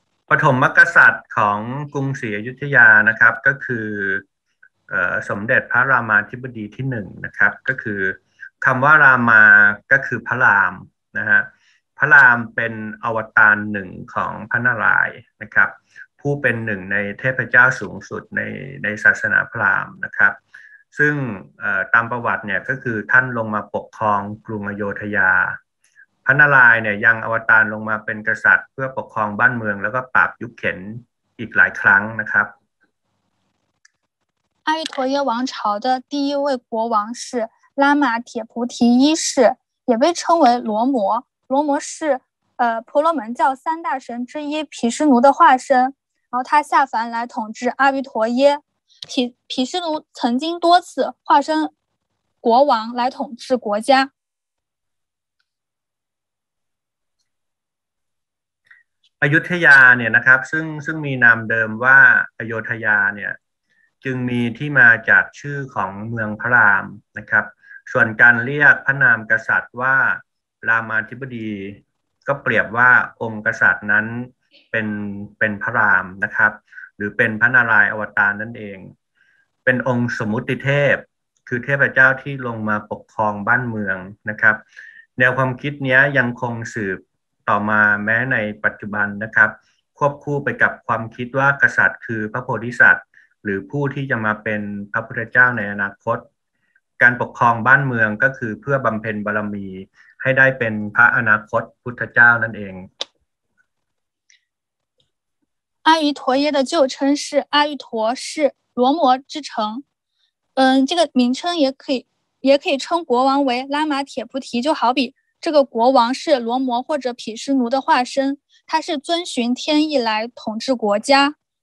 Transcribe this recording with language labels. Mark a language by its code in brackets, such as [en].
[th] ปฐมกษัตริย์ของกรุงศรีอยุธยานะครับก็คือสมเด็จพระรามาธิบดีที่หนึ่งนะครับก็คือคำว่ารามาก็คือพระรามนะฮะพระรามเป็นอวตารหนึ่งของพระนารายณ์นะครับผู้เป็นหนึ่งในเทพเจ้าสูงสุดในศาสนาพราหมณ์นะครับซึ่ง ตามประวัติเนี่ยก็คือท่านลงมาปกครองกรุงอโยธยาพระนารายณ์เนี่ยยังอวตารลงมาเป็นกษัตริย์เพื่อปกครองบ้านเมืองแล้วก็ปราบยุคเข็น อีกหลายครั้งนะครับ [zh] 阿育陀耶王朝的第一位国王是拉玛铁菩提一世，也被称为罗摩。罗摩是婆罗门教三大神之一毗湿奴的化身，然后他下凡来统治阿育陀耶。毗湿奴曾经多次化身国王来统治国家。 [th] อยุธยาเนี่ยนะครับซึ่งมีนามเดิมว่าอโยธยาเนี่ยจึงมีที่มาจากชื่อของเมืองพระรามนะครับส่วนการเรียกพระนามกษัตริย์ว่ารามาธิบดีก็เปรียบว่าองค์กษัตริย์นั้นเป็นพระรามนะครับหรือเป็นพระนารายณ์อวตารนั่นเอง เป็นองค์สมุติเทพคือเทพเจ้าที่ลงมาปกครองบ้านเมืองนะครับแนวความคิดนี้ยังคงสืบต่อมาแม้ในปัจจุบันนะครับควบคู่ไปกับความคิดว่ากษัตริย์คือพระโพธิสัตว์หรือผู้ที่จะมาเป็นพระพุทธเจ้าในอนาคตการปกครองบ้านเมืองก็คือเพื่อบำเพ็ญบารมีให้ได้เป็นพระอนาคตพุทธเจ้านั่นเอง [zh] 阿育陀耶的旧称是阿育陀是罗摩之城这个名称也可以称国王为拉玛铁菩提就好比这个国王是罗摩或者毗湿奴的化身，他是遵循天意来统治国家。